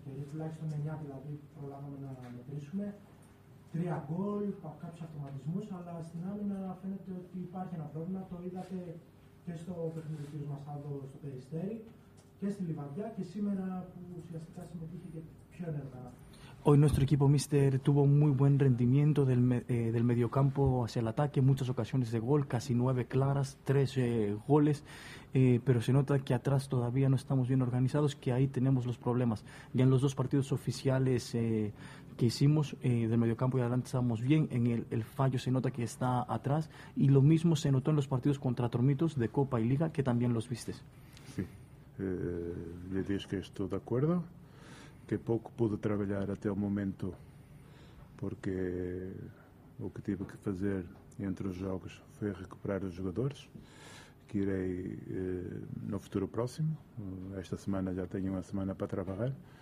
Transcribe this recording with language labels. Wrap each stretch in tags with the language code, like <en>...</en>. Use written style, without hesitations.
<el>Τουλάχιστον 9 δηλαδή προλάβαμε να μετρήσουμε. 3 γκολ από κάποιους αυτοματισμούς, αλλά στην άμυνα φαίνεται ότι υπάρχει ένα πρόβλημα. Το είδατε και στο παιχνίδι του κ. Μασάδο στο Περιστέρι και στη Λιβαδιά και σήμερα που ουσιαστικά συμμετείχε και πιο ενεργά.</el> <es>Hoy nuestro equipo, Mister, tuvo muy buen rendimiento del mediocampo hacia el ataque, muchas ocasiones de gol, casi 9 claras, 3 goles, pero se nota que atrás todavía no estamos bien organizados, que ahí tenemos los problemas. Ya en los dos partidos oficiales que hicimos, del mediocampo y adelante estábamos bien, en el fallo se nota que está atrás, y lo mismo se notó en los partidos contra Tormitos de Copa y Liga, que también los viste. Sí, le dices que estoy de acuerdo.</es> <pt>Que pouco pude trabalhar até o momento, porque o que tive que fazer entre os jogos foi recuperar os jogadores, que irei no futuro próximo. Esta semana já tenho uma semana para trabalhar,</pt>